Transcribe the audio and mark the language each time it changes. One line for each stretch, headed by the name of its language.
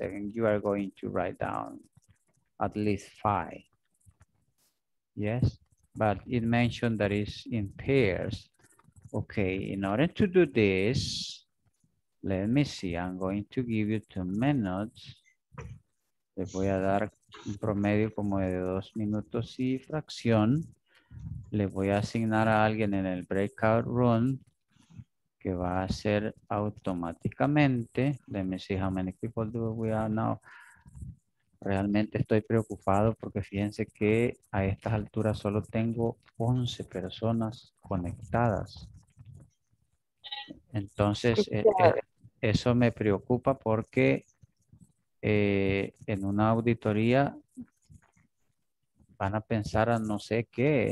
English: And you are going to write down at least 5. Yes? But it mentioned that it's in pairs. Okay, in order to do this, let me see, I'm going to give you 2 minutes.
Spanish: Les voy a dar un promedio como de 2 minutos y fracción. Le voy a asignar a alguien en el breakout room que va a ser automáticamente.
English: Let me see how many people do we are now.
Spanish: Realmente estoy preocupado porque fíjense que a estas alturas solo tengo 11 personas conectadas. Entonces, eso me preocupa porque en una auditoría van a pensar a no sé qué.